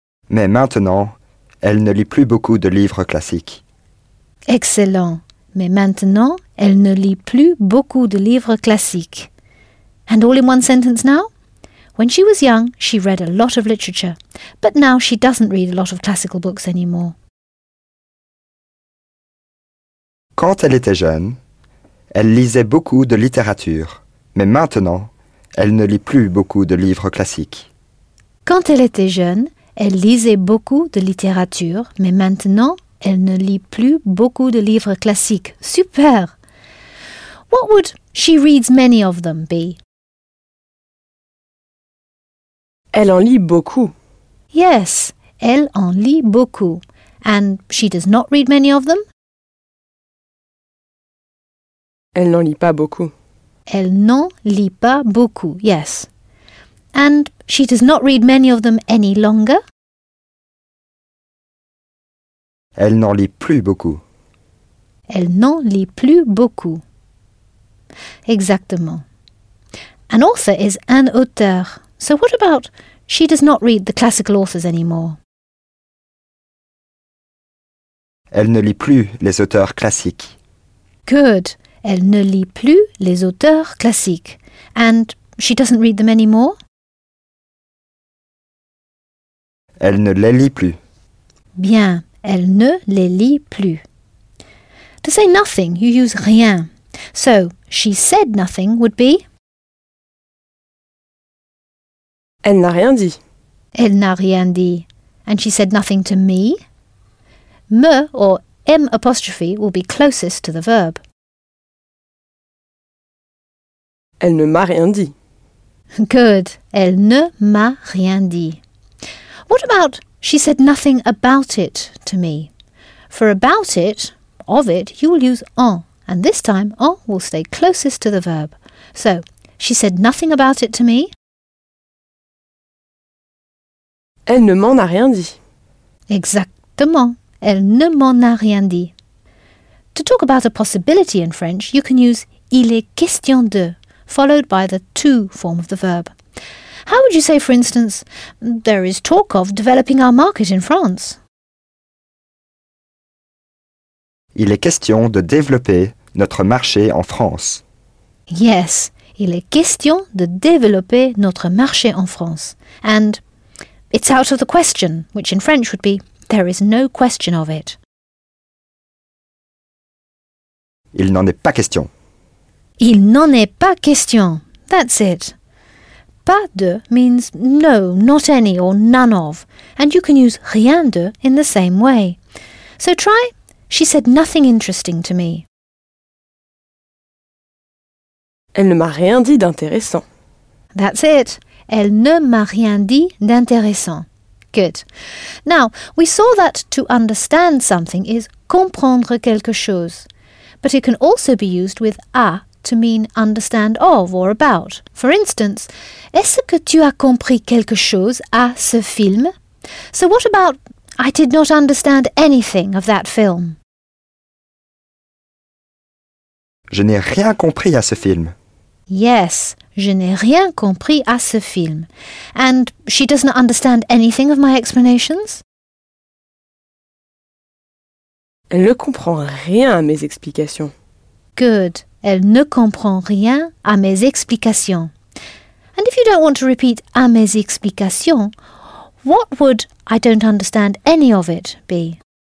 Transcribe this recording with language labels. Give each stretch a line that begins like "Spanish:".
French: Mais maintenant, elle ne lit plus beaucoup de livres classiques.
English: Excellent.
French: Mais maintenant, elle ne lit plus beaucoup de livres classiques.
English: And all in one sentence now? When she was young, she read a lot of literature. But now she doesn't read a lot of classical books anymore.
French: Quand elle était jeune, elle lisait beaucoup de littérature, mais maintenant, elle ne lit plus beaucoup de livres classiques. Quand elle était jeune, elle lisait beaucoup de littérature, mais maintenant, elle ne lit plus beaucoup de livres classiques. Super!
English: What would she reads many of them be?
French: Elle en lit beaucoup.
English: Yes,
French: elle en lit beaucoup.
English: And she does not read many of them?
French: Elle n'en lit pas beaucoup. Elle n'en lit pas beaucoup,
English: yes. And she does not read many of them any longer?
French: Elle n'en lit plus beaucoup. Elle n'en lit plus beaucoup. Exactement.
English: An author is
French: un auteur.
English: So what about she does not read the classical authors anymore?
French: Elle ne lit plus les auteurs classiques.
English: Good.
French: Elle ne lit plus les auteurs classiques.
English: And she doesn't read them anymore?
French: Elle ne les lit plus. Bien, elle ne les lit plus.
English: To say nothing, you use rien. So, she said nothing would be?
French: Elle n'a rien dit. Elle n'a rien dit.
English: And she said nothing to me? Me or m apostrophe will be closest to the verb.
French: Elle ne m'a rien dit.
English: Good.
French: Elle ne m'a rien dit.
English: What about she said nothing about it to me? For about it, of it, you will use en. And this time, en will stay closest to the verb. So, she said nothing about it to me.
French: Elle ne m'en a rien dit. Exactement. Elle ne m'en a rien dit.
English: To talk about a possibility in French, you can use
French: il est question de,
English: followed by the to form of the verb. How would you say, for instance, there is talk of developing our market in France?
French: il est question de développer notre marché en France.
English: Yes,
French: il est question de développer notre marché en France.
English: And it's out of the question, which in French would be, there is no question of it.
French: Il n'en est pas question. Il n'en est pas question.
English: That's it. Pas de means no, not any or none of. And you can use rien de in the same way. So try, she said nothing interesting to me.
French: Elle ne m'a rien dit d'intéressant.
English: That's it.
French: Elle ne m'a rien dit d'intéressant.
English: Good. Now, we saw that to understand something is
French: comprendre quelque chose.
English: But it can also be used with à to mean understand of or about. For instance,
French: est-ce que tu as compris quelque chose à ce film?
English: So what about I did not understand anything of that film?
French: Je n'ai rien compris à ce film.
English: Yes,
French: je n'ai rien compris à ce film.
English: And she does not understand anything of my explanations?
French: Elle ne comprend rien à mes explications.
English: Good.
French: Elle ne comprend rien à mes explications.
English: And if you don't want to repeat
French: à mes explications,
English: what would I don't understand any of it be?